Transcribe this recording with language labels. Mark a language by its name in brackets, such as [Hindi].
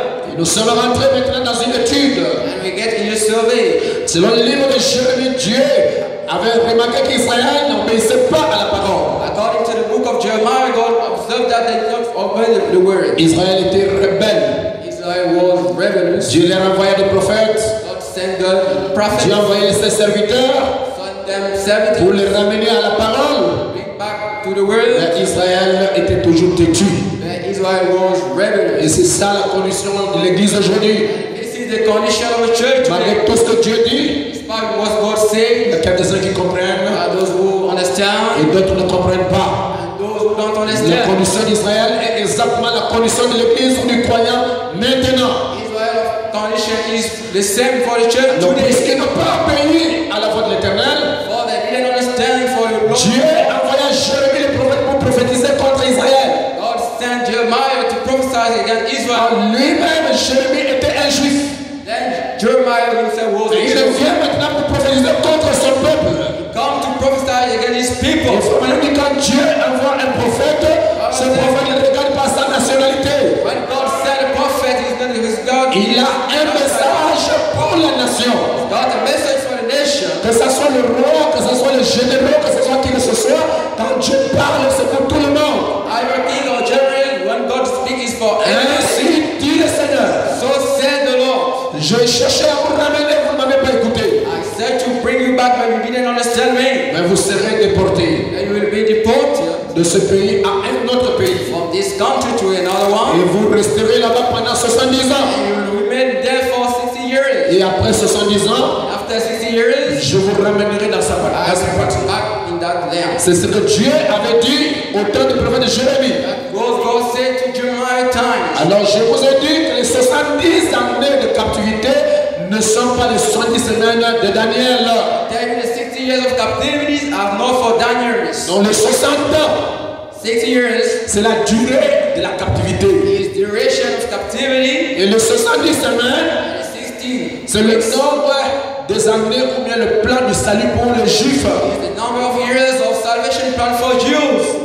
[French] Et nous sommes rentrés maintenant dans une étude. [English] And we get in a survey. [French] Selon le livre de Jérémie, Dieu avait remarqué qu'Israël n'obéissait pas à la parole. [English] According to the book of Jeremiah, God observed that they did not obey the word. [French] Israël était rebelle. [English] Israel was rebellious. [French] Dieu leur envoyait des prophètes. [English] God sent the prophets. [French] Dieu envoyait ses serviteurs. Pour les ramener à la parole. [English] Bring back to the world. [French] Mais Israël était toujours têtu. [English] Israel was rebellious. [French] Et c'est ça la condition de l'Église aujourd'hui. [English] This is the condition of the church. [French] Malgré tout ce que Dieu dit, [English] despite what God said, [French] il y a quelques-uns qui comprennent. [English] And those who understand, [French] et d'autres ne comprennent pas. [English] And those who don't understand. [French] La condition d'Israël est exactement la condition de l'Église ou du croyant maintenant. [English] Israel's condition is the same for the church today. [French] Puisque ils n'ont pas obéi à la voix de l'Éternel. Dieu envoya Jérémie le prophète pour prophétiser contre Israël. [English] God sent Jeremiah to prophesy against Israel. [French] Lui-même, Jérémie était un juif. [English] Then Jeremiah himself was a Jew. [French] Et il vient maintenant pour prophétiser contre son peuple. [English] He come to prophesy against his people. [French] Et quand Dieu envoie un prophète, ce prophète ne regarde pas sa nationalité. [English] When God sent a prophet, he's not his God. [French] Il a un message pour la nation. [English] God a message for the nation. [French] Que ce soit le roi, que ce soit le général, quand Dieu parle, c'est pour tout le monde. [English] I repeat, or generally, when God speaks, is for everyone. [French] Ainsi dit le Seigneur. [English] So said the Lord. [French] Je cherchais à vous ramener, vous ne m'avez pas écouté. [English] I said to bring you back, but you didn't understand me. [French] vous serez déporté. [English] And you will be deported. [French] De ce pays à un autre pays. [English] From this country to another one. [French] Et vous resterez là-bas pendant 70 ans. [English] And you will remain there for 60 years. [French] Et après 70 ans. [English] After 60 years. [French] Je vous ramènerai dans sa patrie. [English] I will be back in that land. [French] C'est ce que Dieu avait dit au temps du prophète Jérémie. [English] God said to Jeremiah time. [French] Alors je vous ai dit que les 70 années de captivité ne sont pas les 70 semaines de Daniel. [English] The 60 years of captivity are not for Daniel. [French] Non, les 60 ans. [English] 60 years. [French] C'est la durée de la captivité. [English] Is duration of captivity. [French] Et les 70 semaines. [English] 60. [French] C'est le nombre des années ou bien le plan du salut pour les Juifs. [English] Is the number of years of salvation plan for Jews.